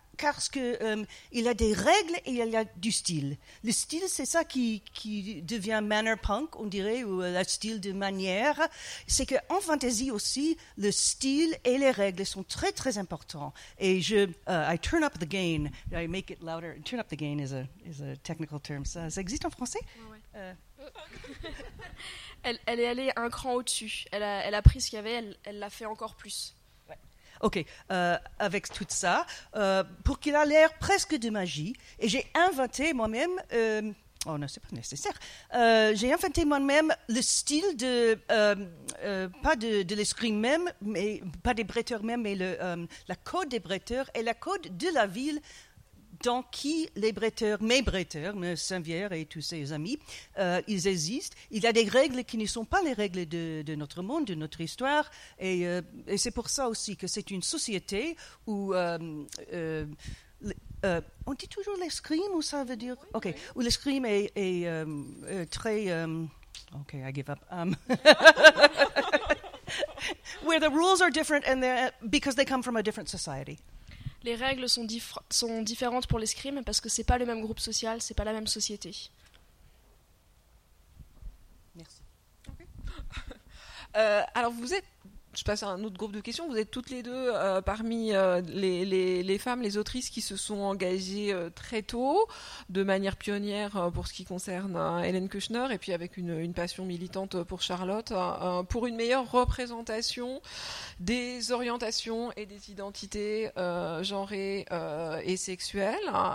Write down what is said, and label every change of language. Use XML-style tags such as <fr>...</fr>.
<fr>Parce qu'il a des règles et il y a du style. Le style, c'est ça qui devient manner punk, on dirait, ou le style de manière. C'est qu'en fantasy aussi, le style et les règles sont très, très importants.</fr> <en>Et I turn up the gain. I make it louder. Turn up the gain is a technical term.</en> <fr>Ça existe en français? Ouais. elle est allée un cran au-dessus. Elle a pris ce qu'il y avait, elle l'a fait encore plus. Ok, avec tout ça, pour qu'il a l'air presque de magie, et j'ai inventé moi-même, c'est pas nécessaire, j'ai inventé moi-même le style de, pas de l'escrime même, mais pas des bretteurs même, mais la code des bretteurs et la code de la ville dans qui les bretteurs, mes bretteurs, Saint-Vierre et tous ses amis, ils existent. Il y a des règles qui ne sont pas les règles de notre monde, de notre histoire, et c'est pour ça aussi que c'est une société où... on dit toujours l'escrime, ou ça veut dire... Ok, où l'escrime est très... ok,</fr> <en>I give up. where the rules are different and they're, because they come from a different society.</en> <fr>Les règles sont différentes pour l'escrime parce que c'est pas le même groupe social, c'est pas la même société. Merci. Alors vous êtes, je passe à un autre groupe de questions, vous êtes toutes les deux parmi les femmes, les autrices qui se sont engagées très tôt, de manière pionnière pour ce qui concerne Hélène Kushner, et puis avec une passion militante pour Charlotte, pour une meilleure représentation des orientations et des identités genrées et sexuelles.</fr>